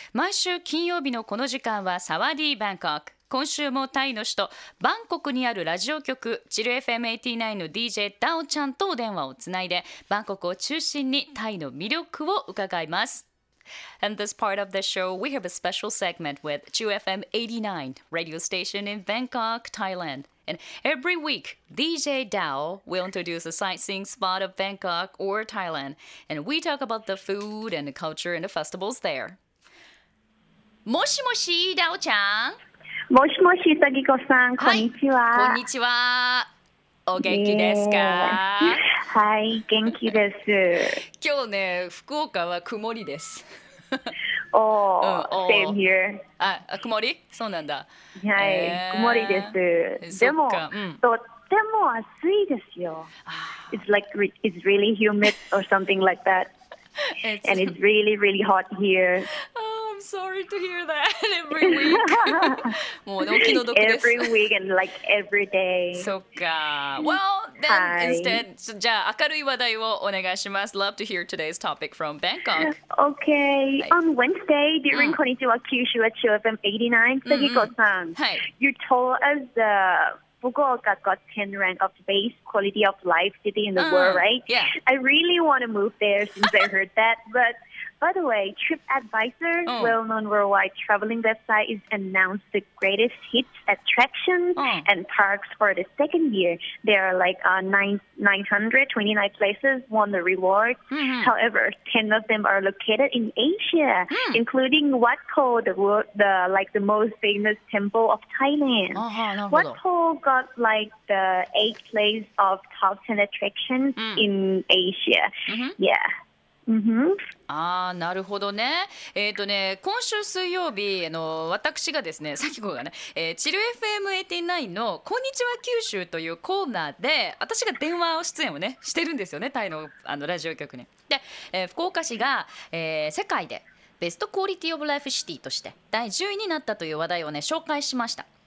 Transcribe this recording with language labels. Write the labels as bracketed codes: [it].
[ja] 毎週金曜日のこの時間はサワディバンコク、今週もタイの首都バンコクにあるラジオ局チル FM89 の DJ ダオちゃんとお電話をつないで、バンコクを中心にタイの魅力を伺います。 [en] And this part of the show we have a special segment with チル FM89 radio station in Bangkok, Thailand. And every week DJ Dao will introduce a sightseeing spot of Bangkok or Thailand, and we talk about the food and the culture and the festivals there. [ja] もしもし、ダオちゃん。もしもし、さぎこさん、こんにちは。はい、こんにちは。お元気ですか？はい、元気です。今日ね、福岡は曇りです。 [en] おー、same here。 [ja] あ、曇り？そうなんだ。はい、曇りです。でも、とっても暑いですよ。 [en] It's like, it's really humid or something like that. And it's really, really hot here. I'm sorry to hear that every week. [ja] もうお気の毒です。 [en] Every week and like every day. [ja] そっか。 [en] Well, then instead, [ja] じゃあ明るい話題をお願いします。 [en] Love to hear today's topic from Bangkok. Okay. Hi. On Wednesday, during Konnichiwa Kyushu at Chill FM 89, Sagiko-san, you told us the Fukuoka got 10 rank of base quality of life city in the world, right? Yeah. I really want to move there since I heard that, but... By the way, TripAdvisor, well-known worldwide traveling website, is announced the greatest hits, attractions, and parks for the second year. There are like 929 places won the reward. However, 10 of them are located in Asia, including Wat Pho, the most famous temple of Thailand. Wat Pho got like the 8th place of top 10 attractions in Asia. Yeah. [ja] Mm-hmm. ああなるほどね。ね、今週水曜日の私がですね、さきこがね、チル FM89 のこんにちは九州というコーナーで私が電話を出演をねしてるんですよね、タイの、あのラジオ局に。で、福岡市が、世界でベストクオリティオブライフシティとして第10位になったという話題をね紹介しました。